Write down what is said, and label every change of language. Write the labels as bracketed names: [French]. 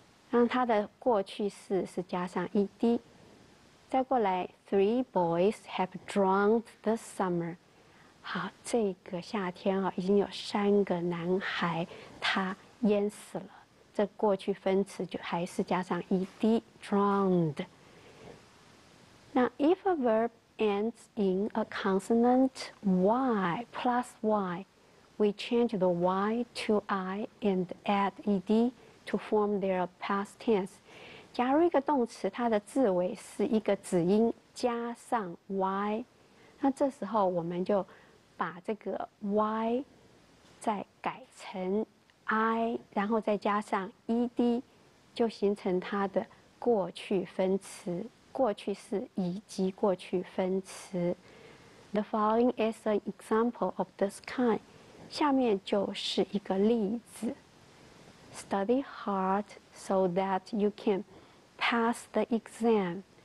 [Chinese] 然后它的过去式是加上 ed。再过来 [English] ，three boys have drowned this summer。 [Chinese] 好，这个夏天啊，已经有三个男孩他淹死了。这过去分词就还是加上 ed drowned。 [English] Now, if a verb ends in a consonant y plus y, we change the y to I and add ed to form their past tense. [Chinese] 假如一个动词它的字尾是一个子音加上 y， 那这时候我们就把这个 y 再改成 I， 然后再加上 ed， 就形成它的过去分词。过去式以及过去分词。 [English] The following is an example of this kind. [Chinese] 下面就是一个例子。 [English] Study hard so that you can pass the exam.